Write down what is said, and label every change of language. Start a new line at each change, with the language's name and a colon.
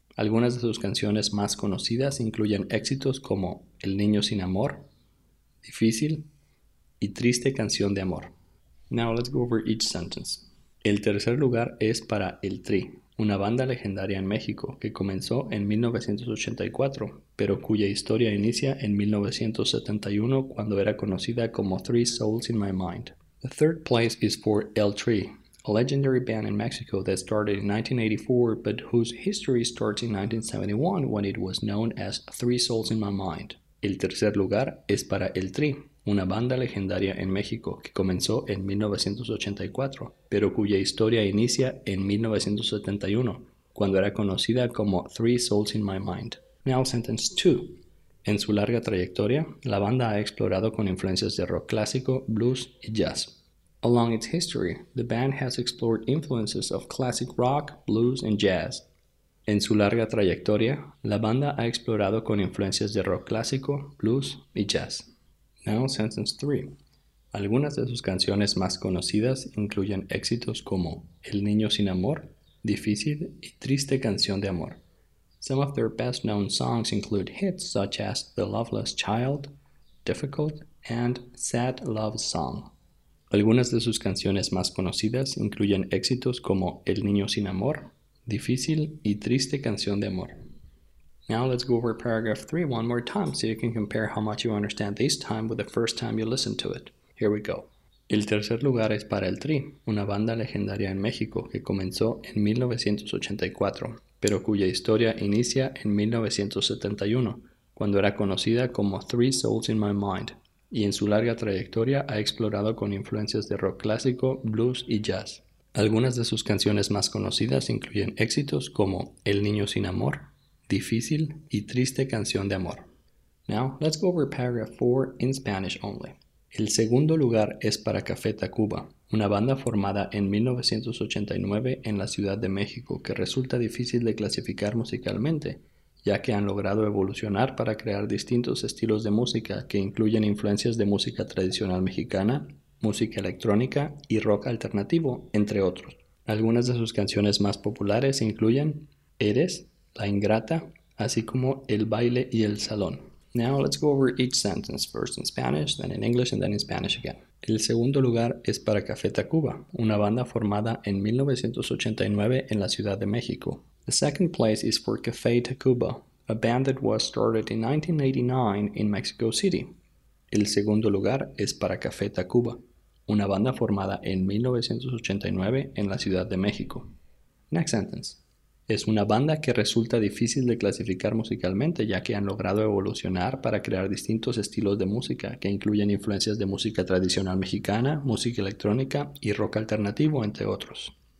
Spanish: Algunas de sus canciones más conocidas incluyen éxitos como El Niño Sin Amor, Difícil y Triste Canción de Amor.
English: Now let's go over each sentence.
Spanish: El tercer lugar es para El Tri, una banda legendaria en México que comenzó en 1984, pero cuya historia inicia en 1971 cuando era conocida como Three Souls in My Mind.
English: The third place is for El Tri, a legendary band in Mexico that started in 1984 but whose history starts in 1971 when it was known as Three Souls in My Mind.
Spanish: El tercer lugar es para El Tri, una banda legendaria en México que comenzó en 1984, pero cuya historia inicia en 1971, cuando era conocida como Three Souls in My Mind.
English: Now sentence 2.
Spanish: En su larga trayectoria, la banda ha explorado con influencias de rock clásico, blues y jazz.
English: Along its history, the band has explored influences of classic rock, blues and jazz.
Spanish: En su larga trayectoria, la banda ha explorado con influencias de rock clásico, blues y jazz.
English: Now sentence 3.
Spanish: Algunas de sus canciones más conocidas incluyen éxitos como El Niño Sin Amor, Difícil y Triste Canción de Amor.
English: Some of their best-known songs include hits such as The Loveless Child, Difficult, and Sad Love Song.
Spanish: Algunas de sus canciones más conocidas incluyen éxitos como El Niño Sin Amor, Difícil y Triste Canción de Amor.
English: Now let's go over paragraph 3 one more time so you can compare how much you understand this time with the first time you listened to it. Here we go.
Spanish: El tercer lugar es para El Tri, una banda legendaria en México que comenzó en 1984, pero cuya historia inicia en 1971, cuando era conocida como Three Souls in My Mind, y en su larga trayectoria ha explorado con influencias de rock clásico, blues y jazz. Algunas de sus canciones más conocidas incluyen éxitos como El Niño Sin Amor, Difícil y Triste Canción de Amor.
English: Now, let's go over paragraph 4 in Spanish only.
Spanish: El segundo lugar es para Café Tacuba, una banda formada en 1989 en la Ciudad de México que resulta difícil de clasificar musicalmente, ya que han logrado evolucionar para crear distintos estilos de música que incluyen influencias de música tradicional mexicana, música electrónica y rock alternativo, entre otros. Algunas de sus canciones más populares incluyen Eres, La Ingrata, así como El Baile y El Salón.
English: Now let's go over each sentence, first in Spanish, then in English, and then in Spanish again.
Spanish: El segundo lugar es para Café Tacuba, una banda formada en 1989 en la Ciudad de México.
English: The second place is for Café Tacuba, a band that was started in 1989 in Mexico City.
Spanish: El segundo lugar es para Café Tacuba, una banda formada en 1989 en la Ciudad de México.
English: Next sentence.
Spanish: Es una banda que resulta difícil de clasificar musicalmente, ya que han logrado evolucionar para crear distintos estilos de música que incluyen influencias de música tradicional mexicana, música electrónica y rock alternativo, entre otros.